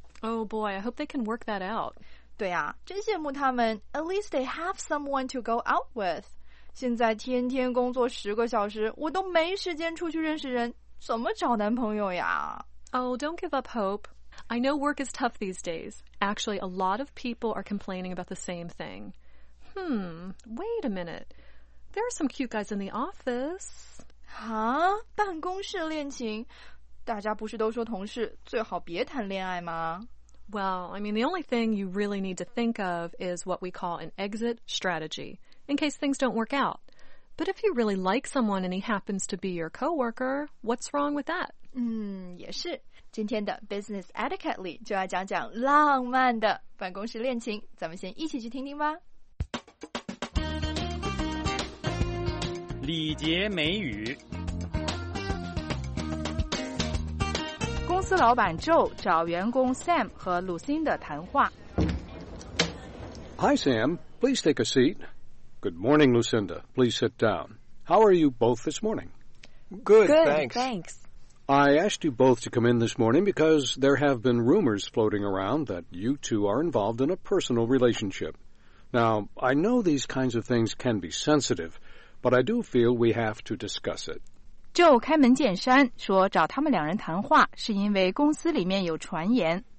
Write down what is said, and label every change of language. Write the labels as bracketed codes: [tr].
[en] Oh boy, I hope they can work that out. [zh] 对啊，真羡慕他们。 [en] At least they have someone to go out with. [zh] 现在天天工作10个小时，我都没时间出去认识人，怎么找男朋友呀？ [en] Oh, don't give up hope. I know work is tough these days. Actually, a lot of people are complaining about the same thing. Wait a minute. There are some cute guys in the office. [zh] Huh? 办公室恋情？大家不是都说同事最好别谈恋爱吗？ [en] Well, I mean, the only thing you really need to think of is what we call an exit strategy, in case things don't work out. But if you really like someone and he happens to be your coworker, what's wrong with that? [zh] 也是。今天的 Business Etiquette 里就要讲讲浪漫的办公室恋情，咱们先一起去听听吧。礼节美语。公司老板 Joe 找员工 Sam 和 Lucinda 谈话。 [en] Hi Sam, please take a seat. Good morning, Lucinda. Please sit down. How are you both this morning? Good, thanks. I asked you both to come in this morning because there have been rumors floating around that you two are involved in a personal relationship. Now, I know these kinds of things can be sensitive, but I do feel we have to discuss it. [zh] Joe 开门见山说找他们两人谈话是因为公司里面有传言。